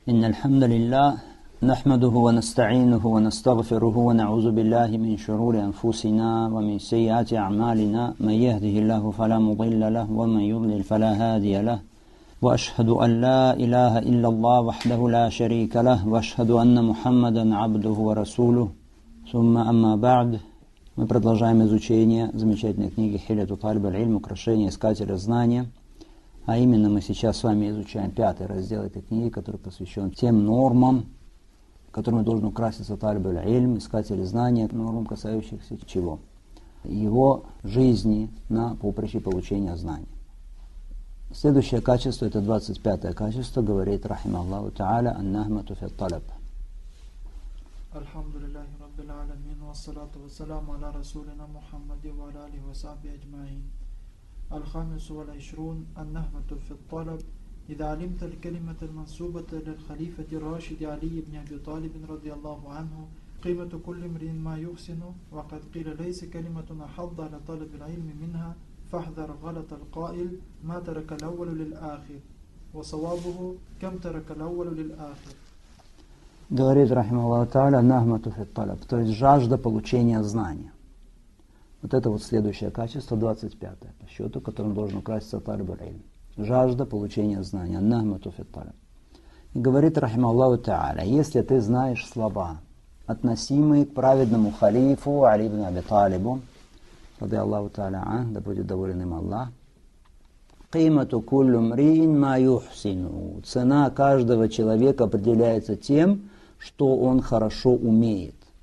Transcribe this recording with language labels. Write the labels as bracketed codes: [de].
[ar] إن الحمد لله نحمده ونستعينه ونستغفره ونعوذ بالله من شرور أنفسنا ومن سيئات أعمالنا من يهده الله فلا مضل له ومن يضلل فلا هادي له وأشهد أن لا إله إلا الله وحده لا شريك له وأشهد أن محمدا عبده ورسوله ثم أما بعد Мы продолжаем изучение замечательной книги Хилету Тальб аль-Ильм «Украшение искателя знания». [ru] А именно мы сейчас с вами изучаем пятый раздел этой книги, который посвящен тем нормам, которыми должен украситься Тальб аль-Ильм, искатель знания, нормам, касающихся чего? Его жизни на поприще получения знаний. Следующее качество, это 25-е качество, говорит Рахим Аллаху Та'аля «Ан-нахмату фи ат-талаб». [ar] الحمد لله رب العالمين والصلاة والسلام على رسولنا محمد وعلى آله وصحبه أجمعين الخامس والعشرون النهمة في الطلب إذا علمت الكلمة المنسوبة للخليفة الراشد علي بن أبي طالب رضي الله عنه قيمة كل امرئ ما يحسن وقد قيل ليس كلمة أحض على طلب العلم منها فاحذر غلط القائل ما ترك الأول للآخر وصوابه كم ترك الأول للآخر [ru] Говорит, рахималлаху та'аля, нахмату фит талаб, то есть жажда получения знания. Вот это вот следующее качество, 25-е по счету, которым должен украситься талаб аль-ильм. Жажда получения знания, нахмату фит талаб. И говорит, рахималлаху та'аля, если ты знаешь слова, относимые к праведному халифу, Али ибн Аби Талибу, рады Аллаху та'аля, да будет доволен им Аллах, «Кимату куллю мриин ма юхсину» – цена каждого человека определяется тем, что он хорошо умеет.